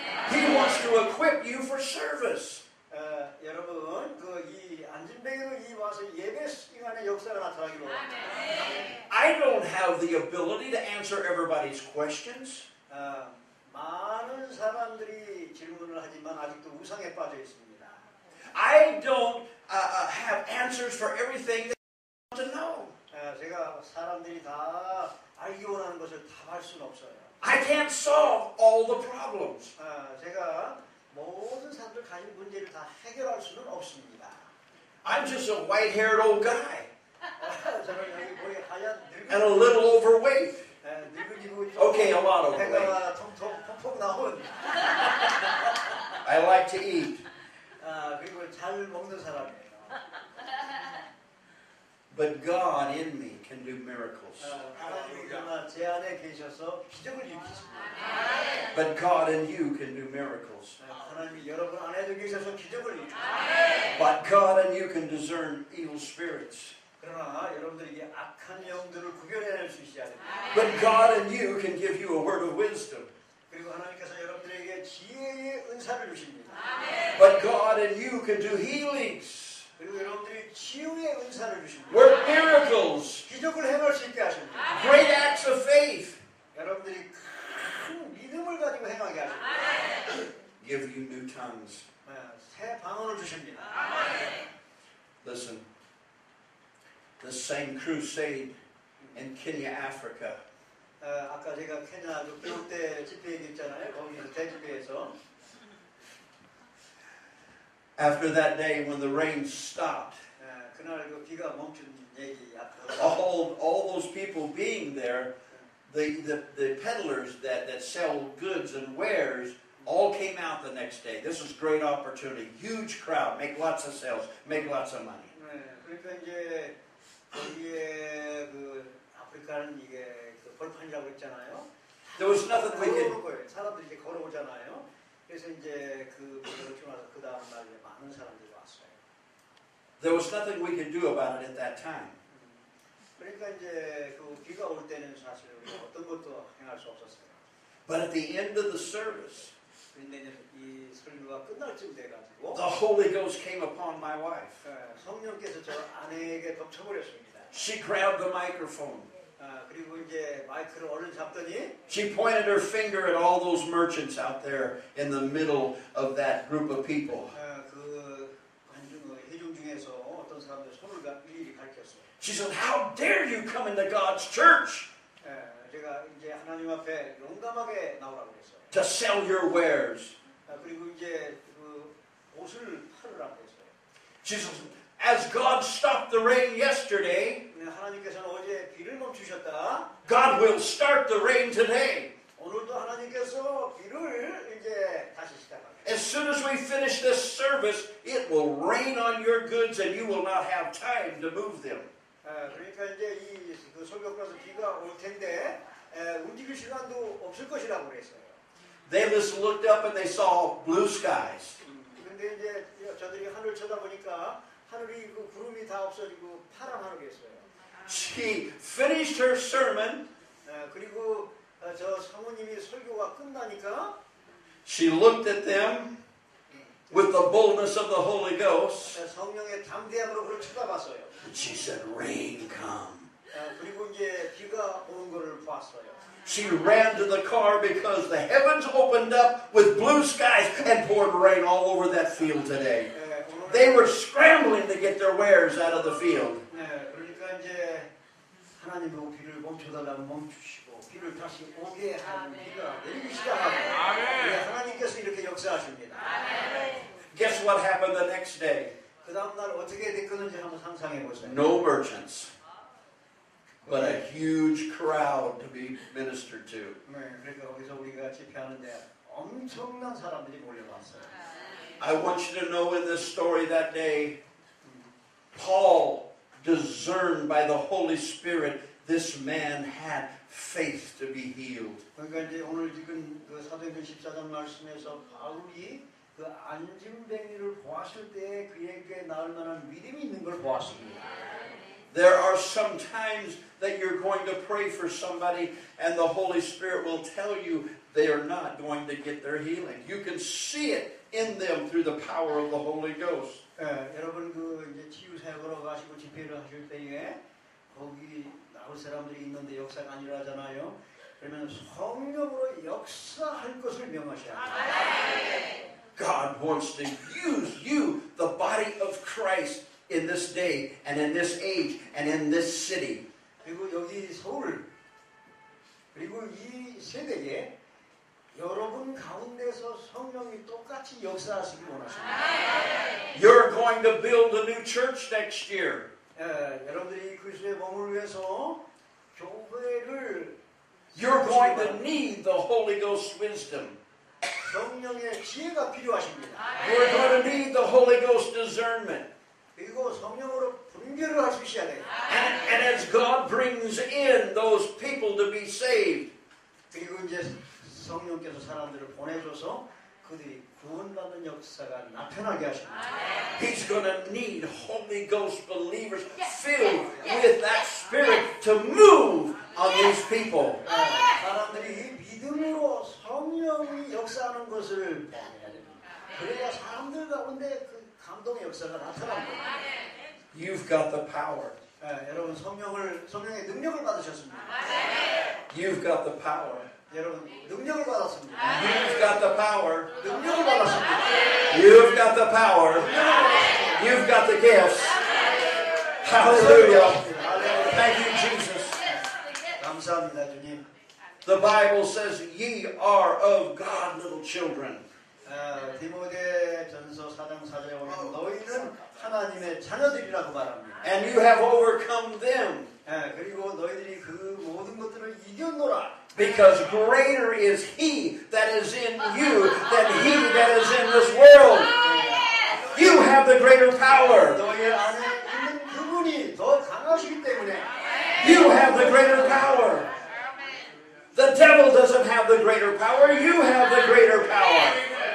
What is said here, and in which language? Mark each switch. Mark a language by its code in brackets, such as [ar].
[en] He wants to equip you for service. [ko] 여러분 그 이 안진뱅이로 이 와서 예배 시간에 역사가 나타나기로. [en] I don't have the ability to answer everybody's questions. [ko] 많은 사람들이 질문을 하지만 아직도 우상에 빠져 있습니다. [en] I don't have answers for everything they want to know. [ko] 제가 사람들이 다 알기 원하는 것을 다 할 수는 없어요. [en] I can't solve all the problems. [ko] 제가 모든 사람들 가진 문제를 다 해결할 수는 없습니다. [en] I'm just a white-haired old guy. [ko] 저는 여기 머리 하얀 늙은. [en] And a little overweight. [ko] 늙은 이고 [en] Okay, a lot overweight. [ko] 배가 통통 퍽퍽 나온. [en] I like to eat. [ko] 그리고 잘 먹는 사람이에요. [en] But God in me can do miracles. [ko] 하나님 제 안에 계셔서 기적을 일으키십니다. [en] But God in you can do miracles. [ko] 하나님 여러분 안에도 계셔서 기적을 일으키십니다. [en] But God in you can discern evil spirits. [ko] 그러나 여러분들에게 악한 영들을 구별해낼 수 있어야 됩니다. [en] But God in you can give you a word of wisdom. [ko] 그리고 하나님께서 여러분들에게 지혜의 은사를 주십니다. [en] But God and you can do healings. [ko] 그리고 여러분들이 치유의 은사를 주십니다. [en] Work miracles. [ko] 기적을 행할 수 있게 하십니다. [en] Great acts of faith. [ko] 여러분들이 큰 믿음을 가지고 행하게 하십니다. [en] Give you new tongues. [ko] 새 방언을 주십니다. [en] Listen. The same crusade in Kenya, Africa. [ko] 아까 제가 케냐 교육 때 집회 얘기했잖아요. 거기서 대집회에서. [en] After that day when the rain stopped, [ko] 그날 그 비가 멈춘 얘기 [en] all those people being there, the peddlers that sell goods and wares all came out the next day. This was great opportunity, huge crowd, make lots of sales, make lots of money. [ko] 그러니까 이제 거기에 그 아프리카는 이게 그 벌판이라고 했잖아요. [en] There was nothing we could. [ko] 사람들이 이제 걸어오잖아요. 그래서 이제 그 벌판 와서 그 다음 날 이제 많은 사람들이 왔어요. [en] There was nothing we could do about it at that time. [ko] 그러니까 이제 그 비가 올 때는 사실 어떤 것도 행할 수 없었어요. [en] But at the end of the service. [ko] 이 설교가 끝날 쯤 돼가지고 [en] The Holy Ghost came upon my wife. [ko] 성령께서 저 아내에게 덮쳐버렸습니다. [en] She grabbed the microphone. [ko] 그리고 이제 마이크를 얼른 잡더니 [en] She pointed her finger at all those merchants out there in the middle of that group of people. [ko] 그 관중 회중 중에서 어떤 사람들 손을 일일이 가리켰어요. [en] She said, "How dare you come into God's church?" [ko] 제가 이제 하나님 앞에 용감하게 나오라고 했어요. [en] To sell your wares. [ko] 그리고 이제 그 옷을 팔으라고 했어요. [en] Jesus, as God stopped the rain yesterday, [ko] 하나님께서는 어제 비를 멈추셨다. [en] God will start the rain today. [ko] 오늘도 하나님께서 비를 이제 다시 시작합니다. [en] As soon as we finish this service, it will rain on your goods, and you will not have time to move them. [ko] 그러니까 이제 이 그 설교 끝나서 비가 올 텐데 움직일 시간도 없을 것이라고 그랬어요. [en] They just looked up and they saw blue skies. [ko] 근데 이제 저들이 하늘 쳐다보니까 하늘이 그 구름이 다 없어지고 파란 하늘이었어요. [en] She finished her sermon. [ko] 그리고 저 사모님이 설교가 끝나니까 [en] She looked at them with the boldness of the Holy Ghost. [ko] 성령의 담대함으로 그를 쳐다봤어요. [en] She said, "Rain come." [ko] 그리고 이제 비가 오는 것을 봤어요. [en] She ran to the car because the heavens opened up with blue skies and poured rain all over that field today. They were scrambling to get their wares out of the field. [ko] 그러니까 이제 하나님도 비를 멈춰달라고 멈추시고 비를 다시 오게 하는 비가 내리기 시작하고 하나님께서 이렇게 역사하십니다. [en] Guess what happened the next day? [ko] 그 다음날 어떻게 됐는지 한번 상상해 보세요. [en] No merchants. But a huge crowd to be ministered to. [ko] 그러니까 여기서 우리가 집회하는데 엄청난 사람들이 몰려왔어요. [en] I want you to know in this story that day, Paul discerned by the Holy Spirit this man had faith to be healed. [ko] 그러니까 이제 오늘 지금 그 사도행전 14장 말씀에서 바울이 그 안진뱅이를 보았을 때 그에게 나을 만한 믿음이 있는 걸 보았습니다. [en] There are some times that you're going to pray for somebody and the Holy Spirit will tell you they are not going to get their healing. You can see it in them through the power of the Holy Ghost. [ko] 여러분 그 이제 치유 사역으로 가시고 집회를 하실 때에 거기 나올 사람들이 있는데 역사가 아니라잖아요. 그러면 성령으로 역사할 것을 명하셔야 [en] God wants to use you, the body of Christ, in this day and in this age and in this city. [ko] 그리고 여기 서울 그리고 이 세대에 여러분 가운데서 성령이 똑같이 역사하시기 원하십니다. [en] You're going to build a new church next year. [ko] 여러분들이 그리스도의 몸을 위해서 교회를 [en] You're going to need the Holy Ghost's wisdom. [ko] 성령의 지혜가 필요하십니다. [en] You're going to need the Holy Ghost's discernment. [ko] 그리고 성령으로 분별을 할 수 있어야 돼요. [en] And as God brings in those people to be saved, [ko] 그리고 이제 성령께서 사람들을 보내줘서 그들이 구원받는 역사가 나타나게 하십니다. [en] He's going to need Holy Ghost believers filled with that spirit to move on these people. [ko] 사람들이 믿음으로 성령이 역사하는 것을 그래야 사람들 가운데 그 감동의 역사가 나타납니다. [en] You've got the power. [ko] 여러분 성령의 능력을 받으셨습니다. [en] You've got the power. [ko] 여러분 능력을 받았습니다. [en] You've got the power. [ko] 능력을 받았습니다. [en] You've got the power. You've got the gifts. Hallelujah. Thank you, Jesus. [ko] 감사합니다, 주님. [en] The Bible says, "Ye are of God, little children." [ko] 디모데전서 4장 4절에 보면 너희는 하나님의 자녀들이라고 말합니다. [en] And you have overcome them. [ko] 그리고 너희들이 그 모든 것들을 이겼노라. [en] Because greater is He that is in you than He that is in this world. You have the greater power. [ko] 너희 안에 있는 그분이 더 강하시기 때문에. [en] You have the greater power. The devil doesn't have the greater power. You have the greater power.